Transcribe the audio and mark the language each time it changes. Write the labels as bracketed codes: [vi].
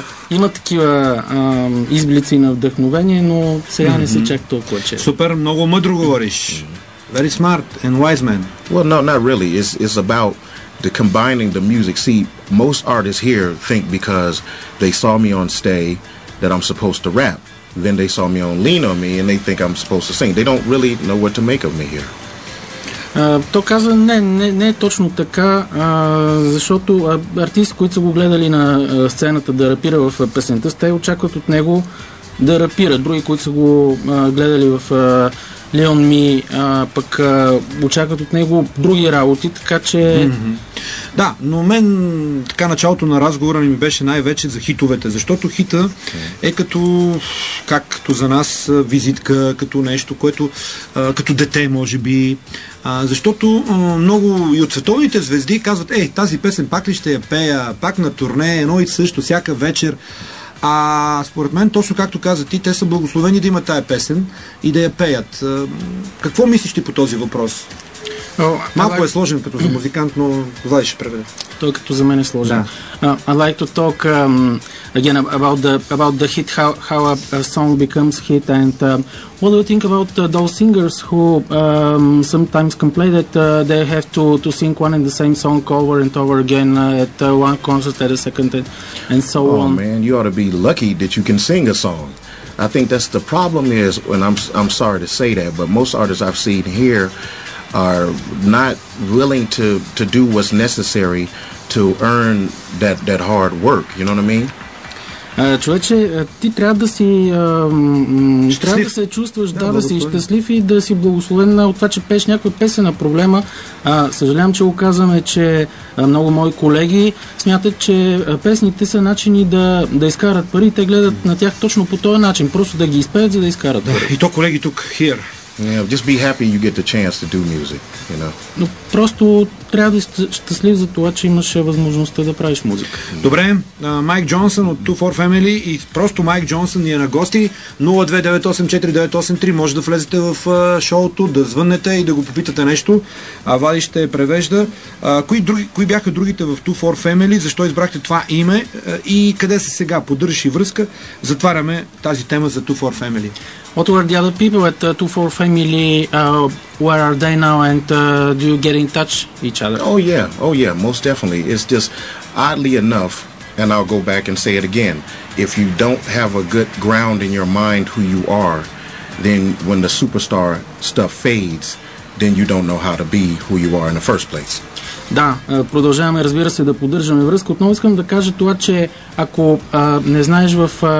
[bg] Има такива изблици на вдъхновение, но сега не се чак толкова че. Супер, много мъдро говориш. [en] Very smart and wise man. Well, no, not really. It's about the combining the music. See, most artists here think because they saw me on Stay that I'm supposed to rap. Then they saw me on Lean On Me and they think I'm supposed to sing. They don't really know what to make of me here. [bg] То каза, не е точно така, защото артисти, които са го гледали на сцената да рапира в песента, те очакват от него да рапира. Други, които са го гледали в Leon Me, пък очакват от него други работи, така че... Mm-hmm. Да, но мен така началото на разговора ми беше най-вече за хитовете, защото хита е както за нас визитка, като нещо, което като дете, може би. Защото много и от световните звезди казват, ей, тази песен пак ли ще я пея, пак на турне, едно и също, всяка вечер. А според мен, точно както каза ти, те са благословени да имат тая песен и да я пеят. Какво мислиш ти по този въпрос? Малко е сложен като за музикант, но Влади ще преведе. Той като за мен е сложен. Да. [en] I'd like to talk again about the hit, how a song becomes hit, and what do you think about those singers who sometimes complain that they have to sing one and the same song over and over again at one concert, at a second, and so on. Oh man, you ought to be lucky that you can sing a song. I think that's the problem is, and I'm sorry to say that, but most artists I've seen here are not willing to do what's necessary to earn that hard work, you know what I mean? [bg] Човече, ти трябва да си трябва да се чувстваш да си щастлив и да си благословен от това, че пееш някоя песен на проблема. Съжалявам, че го казваме, че много мои колеги смятат, че песните са начини да изкарат пари. Те гледат на тях точно по този начин. Просто да ги изпеят, за да изкарат пари. И то колеги тук, [en] here. Yeah, just be happy you get the chance to do music, you know. [bg] Но просто трябва да си щастлив за това, че имаш възможността да правиш музика. Добре, Майк Джонсън от 2-4 Family и просто Майк Джонсън ни е на гости. 02-98-4-983, може да влезете в шоуто, да звъннете и да го попитате нещо. Вали ще превежда. Кои бяха другите в 2-4 Family? Защо избрахте това име? И къде се сега? Поддържаш и връзка? Затваряме тази тема за 2-4 Family. [en] What were the other people at 2-4 Family? Where are they now? And do you get in touch each other? Oh yeah, most definitely. It's just oddly enough, and I'll go back and say it again, if you don't have a good ground in your mind who you are, then when the superstar stuff fades, then you don't know how to be who you are in the first place. [bg] Да, продължаваме, разбира се, да поддържаме връзка. Отново искам да кажа това, че ако не знаеш в...